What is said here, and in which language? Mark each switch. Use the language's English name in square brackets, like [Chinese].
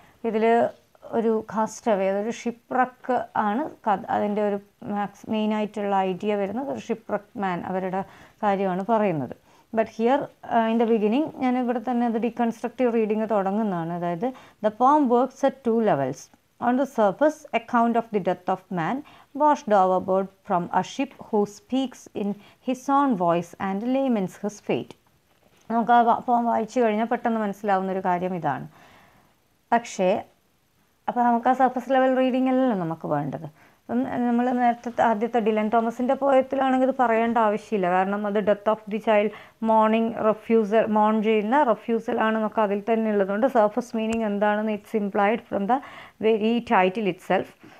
[Malayalam] ഇതിൽ ഒരു കാസ്റ്റവേ, അതൊരു ഷിപ്രക്ക് ആണ് അതിൻ്റെ ഒരു മാക്സ് മെയിൻ ആയിട്ടുള്ള ഐഡിയ വരുന്നത്. ഒരു ഷിപ്രക്ക് മാൻ അവരുടെ കാര്യമാണ് പറയുന്നത്. [English] But here in the beginning [Malayalam] ഞാൻ ഇവിടെ തന്നെ അത് ഡീകൺസ്ട്രക്റ്റീവ് റീഡിങ് തുടങ്ങുന്നതാണ്. അതായത് [English] The poem works at two levels. On the surface, account of the death of man washed overboard from a ship who speaks in his own voice and laments his fate. [Malayalam] നമുക്ക് ആ പോം വായിച്ചു കഴിഞ്ഞാൽ പെട്ടെന്ന് മനസ്സിലാവുന്ന ഒരു കാര്യം ഇതാണ്. പക്ഷേ അപ്പോൾ നമുക്ക് ആ സർഫസ് ലെവൽ റീഡിംഗ് അല്ലല്ലോ നമുക്ക് വേണ്ടത്. അപ്പം നമ്മൾ നേരത്തെ ആദ്യത്തെ ഡിലൻ തോമസിൻ്റെ പോയത്തിലാണെങ്കിൽ ഇത് പറയേണ്ട ആവശ്യമില്ല. കാരണം അത് death of the child morning refusal മോൺ ചെയ്യുന്ന റെഫ്യൂസൽ ആണ് നമുക്ക് അതിൽ തന്നെ ഉള്ളതുകൊണ്ട് സർഫസ് മീനിങ് എന്താണെന്ന് [English] It's implied from the very title itself.